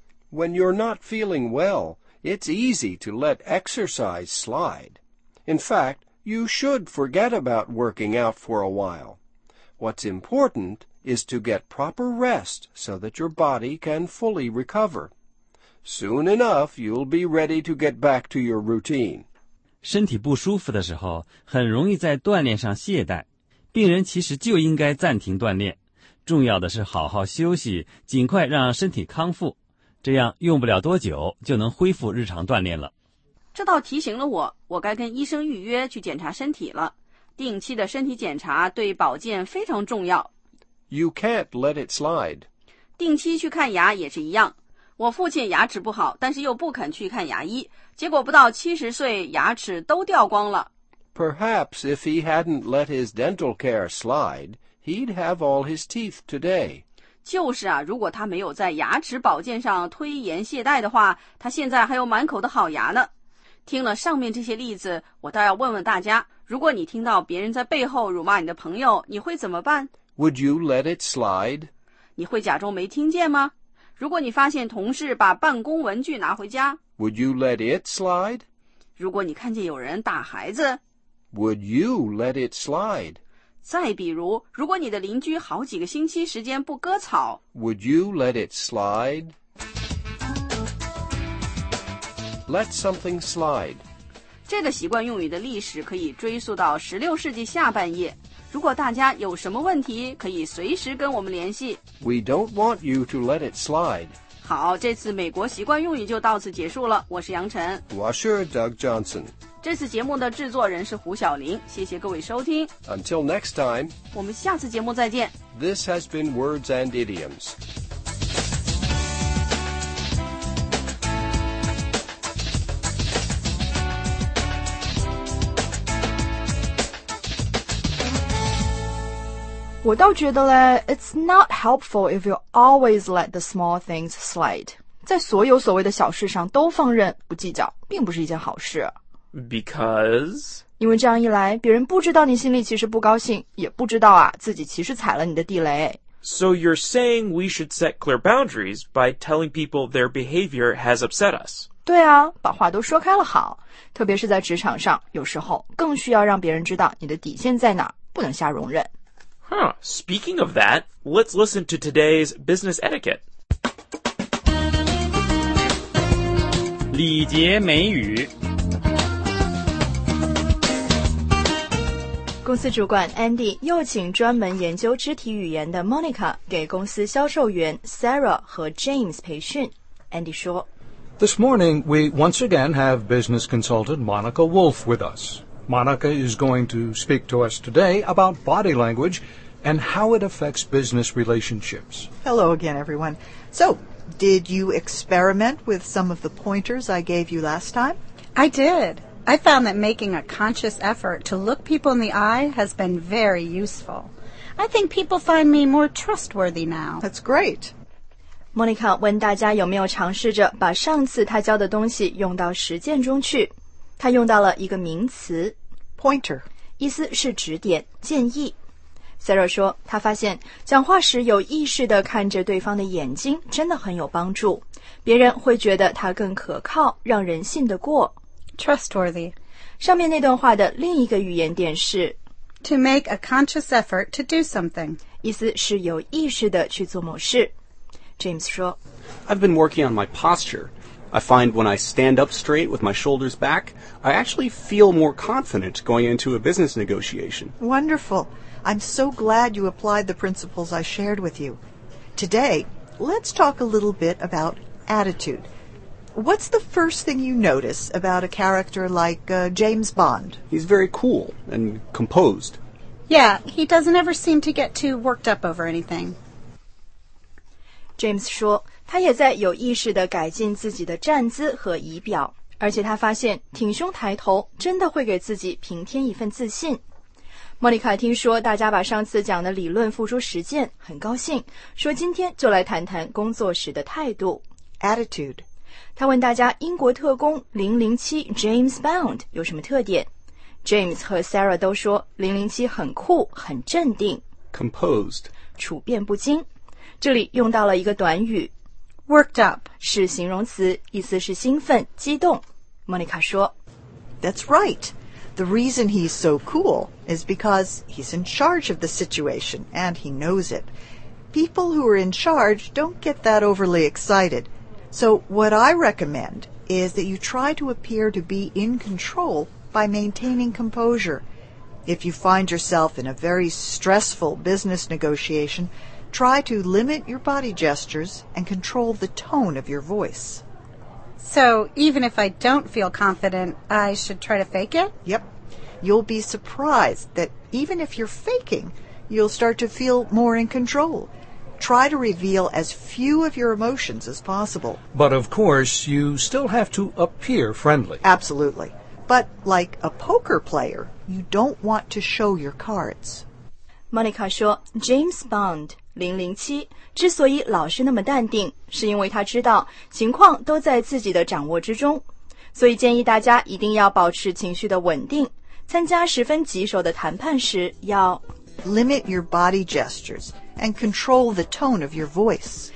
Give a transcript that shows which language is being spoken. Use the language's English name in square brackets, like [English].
[English] When you're not feeling well, it's easy to let exercise slide. In fact, you should forget about working out for a while. What's important is to get proper rest so that your body can fully recover. Soon enough, you'll be ready to get back to your routine. [Chinese] 身体不舒服的时候，很容易在锻炼上懈怠。病人其实就应该暂停锻炼。重要的是好好休息，尽快让身体康复。这样用不了多久就能恢复日常锻炼了。这倒提醒了我，我该跟医生预约去检查身体了。定期的身体检查对保健非常重要。 [English] You can't let it slide. [Chinese] 定期去看牙也是一样。我父亲牙齿不好，但是又不肯去看牙医，结果不到70岁牙齿都掉光了。 [English] Perhaps if he hadn't let his dental care slide, he'd have all his teeth today. [Chinese] 就是啊，如果他没有在牙齿保健上推延懈怠的话，他现在还有满口的好牙呢。听了上面这些例子，我倒要问问大家，如果你听到别人在背后辱骂你的朋友，你会怎么办？ [English] Would you let it slide? [Chinese] 你会假装没听见吗？如果你发现同事把办公文具拿回家， [English] Would you let it slide? [Chinese] 如果你看见有人打孩子， [English] Would you let it slide? [Chinese] 再比如，如果你的邻居好几个星期时间不割草， [English] Would you let it slide? Let something slide. [Chinese] 这个习惯用语的历史可以追溯到16世纪下半叶。如果大家有什么问题，可以随时跟我们联系。 We don't want you to let it slide. 好，这次美国习惯用语就到此结束了。我是杨晨。我是 Doug Johnson。这次节目的制作人是胡晓玲。谢谢各位收听。 [English] Until next time. [Chinese] 我们下次节目再见。 [English] This has been Words and Idioms. It's not helpful if you always let the small things slide. [Chinese] 在所有所谓的小事上都放任不计较并不是一件好事。 [English] Because? [Chinese] 因为这样一来别人不知道你心里其实不高兴也不知道啊自己其实踩了你的地雷。 [English] So you're saying we should set clear boundaries by telling people their behavior has upset us. [Chinese] 对啊把话都说开了好。特别是在职场上有时候更需要让别人知道你的底线在哪不能瞎容忍。 [English] Huh, speaking of that, let's listen to today's business etiquette. [Chinese] 礼节美语。公司主管 Andy 又请专门研究肢体语言的 Monica 给公司销售员 Sarah 和 James 培训。 Andy 说 [English] This morning, we once again have business consultant Monica Wolf with us. Monica is going to speak to us today about body language,and how it affects business relationships. Hello again, everyone. So, did you experiment with some of the pointers I gave you last time? I did. I found that making a conscious effort to look people in the eye has been very useful. I think people find me more trustworthy now. That's great. [Chinese] Monica 问大家有没有尝试着把上次她教的东西用到实践中去。她用到了一个名词 [English] Pointer. [Chinese] 意思是指点、建议。 Sarah 说他发现讲话时有意识地看着对方的眼睛真的很有帮助。别人会觉得他更可靠让人信得过。 [English] Trustworthy. [Chinese] 上面那段话的另一个语言点是 [English] To make a conscious effort to do something. [Chinese] 意思是有意识地去做某事。 James 说 [English] I've been working on my posture. I find when I stand up straight with my shoulders back, I actually feel more confident going into a business negotiation. Wonderful. I'm so glad you applied the principles I shared with you. Today, let's talk a little bit about attitude. What's the first thing you notice about a character like, James Bond? He's very cool and composed. Yeah, he doesn't ever seem to get too worked up over anything. [Chinese] James 说，他也在有意识地改进自己的站姿和仪表，而且他发现挺胸抬头真的会给自己平添一份自信。莫妮卡听说大家把上次讲的理论付诸实践，很高兴，说今天就来谈谈工作时的态度 [English] Attitude。 [Chinese] 他问大家英国特工007 James Bond 有什么特点。 James 和 Sarah 都说007很酷，很镇定 [English] Composed， [Chinese] 处变不惊。这里用到了一个短语 [English] Worked up， [Chinese] 是形容词，意思是兴奋、激动。 Monica 说 [English] That's right. The reason he's so cool is because he's in charge of the situation and he knows it. People who are in charge don't get that overly excited. So what I recommend is that you try to appear to be in control by maintaining composure. If you find yourself in a very stressful business negotiation,Try to limit your body gestures and control the tone of your voice. So, even if I don't feel confident, I should try to fake it? Yep. You'll be surprised that even if you're faking, you'll start to feel more in control. Try to reveal as few of your emotions as possible. But of course, you still have to appear friendly. Absolutely. But like a poker player, you don't want to show your cards. [Chinese] Monica 说, James Bond. 007之所以老是那么淡定，是因为他知道情况都在自己的掌握之中，所以建议大家一定要保持情绪的稳定，参加十分棘手的谈判时要 [English] limit your body gestures and control the tone of your voice，